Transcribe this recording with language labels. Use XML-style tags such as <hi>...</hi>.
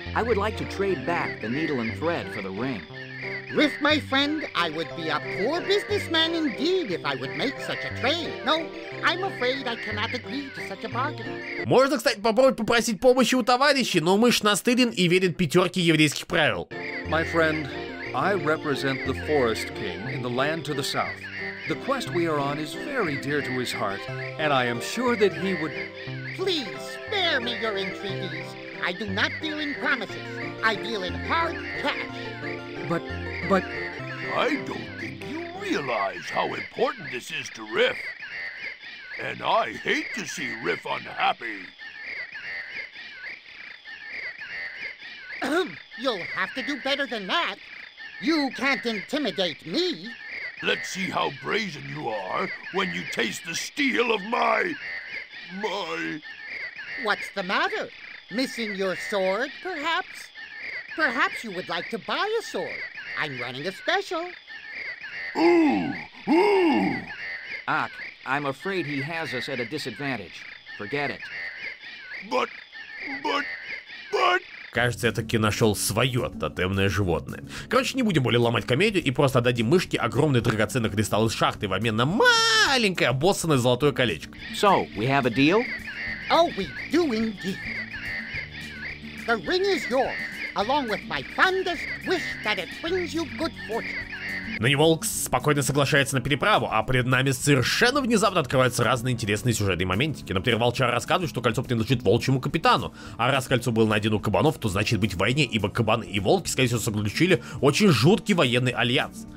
<en>I would like to trade back the needle and thread for the ring. With my friend, I would be a poor businessman indeed if I would make such a trade. No, I'm afraid I cannot agree to such a bargain.</en> <ru>Можно, кстати, попробовать попросить помощи у товарищей, но мышь настырен и верит пятерке еврейских правил.</ru> <en>My friend, I represent the forest king in the land to the south. The quest we are on is very dear to his heart, and I am sure that he would... Please, spare me your entreaties. I do not deal in promises. I deal in hard cash. But... I don't think you realize how important this is to Riff. And I hate to see Riff unhappy. You'll have to do better than that. You can't intimidate me. Let's see how brazen you are when you taste the steel of my... What's the matter? Missing your sword, perhaps? Perhaps you would like to buy a sword. I'm running a special. Ooh! Ooh! Ak, I'm afraid he has us at a disadvantage. Forget it. But...</en> <ru>Кажется, я таки нашел свое тотемное животное. Короче, не будем более ломать комедию и просто отдадим мышке огромный драгоценный кристалл из шахты в обмен на маленькое обоссанное золотое колечко.</ru> <en>So, we have a deal? Oh, we do indeed. The ring is yours. Along with my fondest wish that it brings you good fortune.</en> <ru>Но не волк спокойно соглашается на переправу, а перед нами совершенно внезапно открываются разные интересные сюжетные моментики. Например, волчар рассказывает, что кольцо принадлежит волчьему капитану. А раз кольцо было найдено у кабанов, то значит быть в войне, ибо кабаны и волки, скорее всего, заключили очень жуткий военный альянс.</ru>